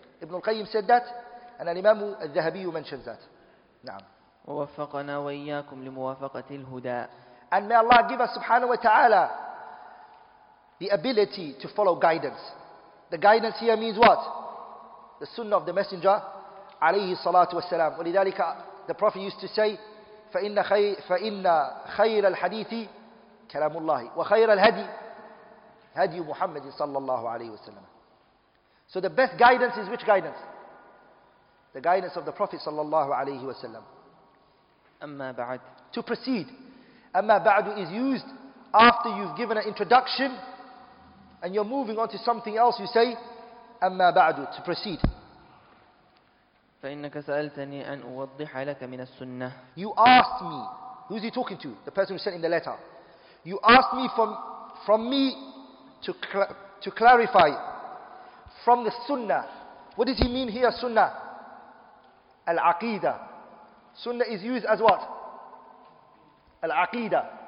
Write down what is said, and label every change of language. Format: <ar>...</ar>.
<en>Ibn al-Qayyim said that, and al-Imam al-Dhahabi mentions that.</en> <ar>Naam. وَوَفَّقَنَا وَإِيَّاكُمْ لِمُوَافَقَةِ الْهُدَىٰ.</ar> <en>And may Allah give us subhanahu wa ta'ala the ability to follow guidance. The guidance here means what? The sunnah of the messenger alayhi salatu wa salam.</en> <ar>وَلِذَلِكَ</ar> <en>the Prophet used to say,</en> <ar>فَإِنَّ خَيْرَ الْحَدِيثِ كَلَامُ اللَّهِ وَخَيْرَ الْهَدِي هَدِي مُحَمَّدٍ صَلَّى اللَّهُ عَلَيْهِ وَسَلَّمَ.</ar> <en>So the best guidance is which guidance? The guidance of the Prophet صلى الله عليه وسلم.</en> <ar>أما بعد.</ar> <en>To proceed. أما بعد is used after you've given an introduction and you're moving on to something else. You say أما بعد, to proceed.</en> <ar>فإنك سألتني أن أوضح لك من السنة.</ar> <en>You asked me. Who's he talking to? The person who sent in the letter. You asked me from me to clarify from the sunnah. What does he mean here, sunnah? Al-aqidah. Sunnah is used as what? Al-aqidah.</en>